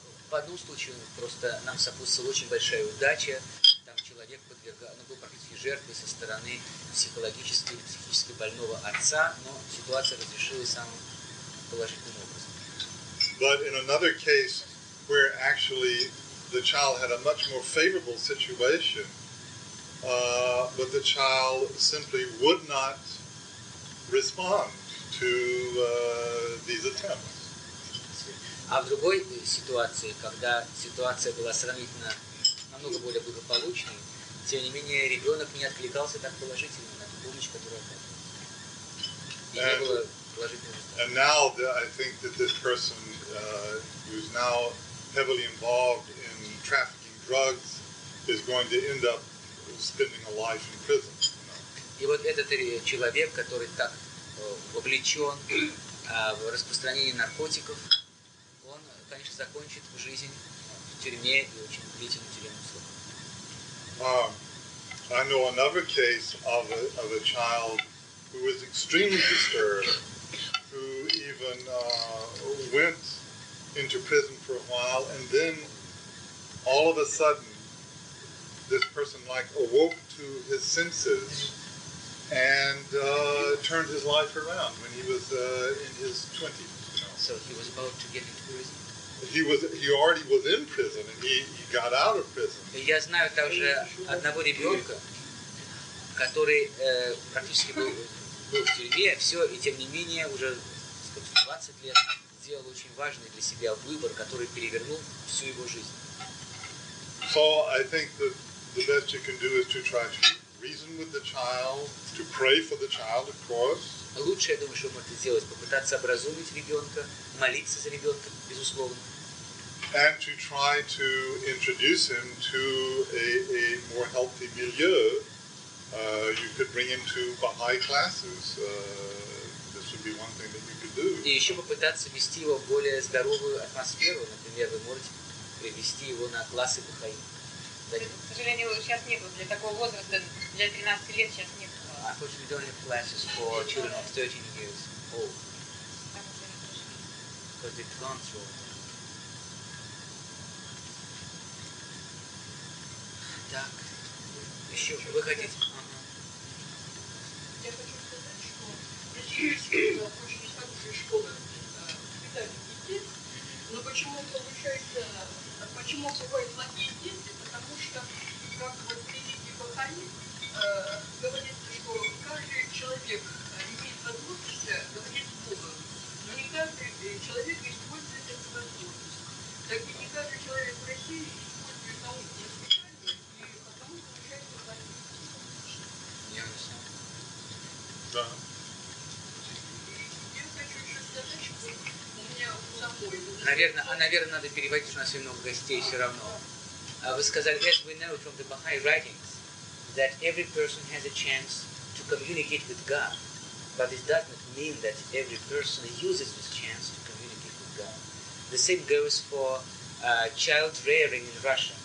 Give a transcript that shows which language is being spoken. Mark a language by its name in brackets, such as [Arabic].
[Russian] В одном случае просто нам сопутствовала очень большая удача. Там человек был практически жертвой со стороны психологически и психически больного отца, но ситуация разрешилась самым положительным образом. [English] But in another case, where actually the child had a much more favorable situation, but the child simply would not respond to these attempts. [Russian] А в другой ситуации, когда ситуация была сравнительно намного более благополучной, тем не менее ребенок не откликался так положительно на ту помощь, которую оказывал. И не было положительного результата. [English] And now I think that this person who's now heavily involved in trafficking drugs is going to end up spending a life in prison. [Russian] И вот этот человек, который так вовлечен в распространение наркотиков, конечно, закончит жизнь в тюрьме и очень длительный тюремный срок. [English] I know another case of a child who was extremely disturbed, who even went into prison for a while, and then all of a sudden this person like awoke to his senses and turned his life around when he was in his 20s. You know. So he was about to get into prison. He already was in prison, and he got out of prison. [Russian] Я знаю также одного ребенка, который практически был в тюрьме, все, и тем не менее уже 20 лет сделал очень важный для себя выбор, который перевернул всю его жизнь. [English] So I think that the best you can do is to try to reason with the child, to pray for the child, of course. [Russian] Лучше, я думаю, что можно сделать, попытаться образумить ребенка, молиться за ребенка, безусловно. [English] And to try to introduce him to a more healthy milieu. You could bring him to Baha'i classes. This would be one thing that you could do. [Russian] И еще попытаться ввести его в более здоровую атмосферу, например, вы можете привести его на классы Бахаи. К сожалению, сейчас нету для такого возраста, для 13 лет сейчас нет. [English] Unfortunately, we don't have classes for children of 13 years old. Because they can't throw. [Russian] Так, еще вы хотите? Я хочу сказать, что если вы окончили также школы воспитания детей, но почему получается... Почему бывают плохие дети? Потому что, как в религии Бахаи, говорится, что каждый человек имеет возможность говорить с Богом, но не каждый человек использует эту возможность. Так и не каждый человек в России использует науку для воспитания, и потому получается плохие дети. Я объясняю. Да. И я хочу еще сказать, что... Наверное, надо переводить, у нас очень много гостей все равно. Вы сказали, [English] as we know from the Baha'i writings, that every person has a chance to communicate with God. But it does not mean that every person uses this chance to communicate with God. The same goes for child rearing in Russia.